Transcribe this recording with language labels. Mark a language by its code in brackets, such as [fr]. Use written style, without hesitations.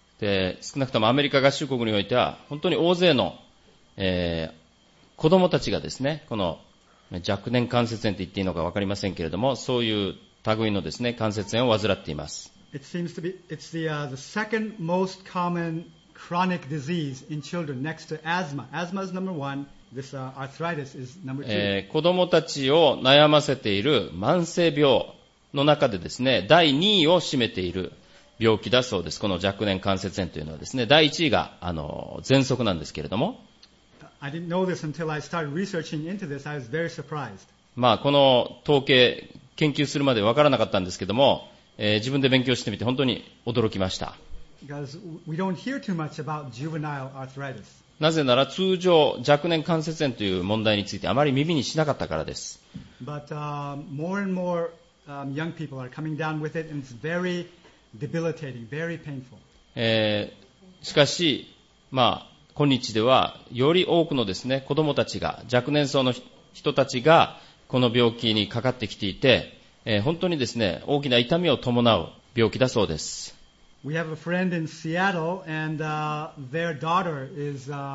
[ja] で、少なくともアメリカ合衆国においては、本当に大勢の、子供たちがですね、この若年関節炎と言っていいのか分かりませんけれども、そういう類のですね、関節炎を患っています。 [en] It seems to be, it's the second most common chronic disease in children next to asthma. Asthma is number one. This arthritis is number two. [ja] 子供たちを悩ませている慢性病の中でですね、第2位を占めている病気だそうです。この若年関節炎というのはですね、第1位が喘息なんですけれども、 [en] I didn't know this until I started researching into this. I was very surprised. [ja] まあこの統計研究するまでわからなかったんですけども、自分で勉強してみて本当に驚きました。 [en] Because we don't hear too much about juvenile arthritis. [ja] なぜなら通常若年関節炎という問題についてあまり耳にしなかったからです。 [en] But more and more young people are coming down with it, and it's very debilitating, very painful. [ja] しかし、まあ今日ではより多くのですね、子どもたちが、若年層の人たちがこの病気にかかってきていて、本当にですね、大きな痛みを伴う病気だそうです。 [en] We have a friend in Seattle and their daughter is,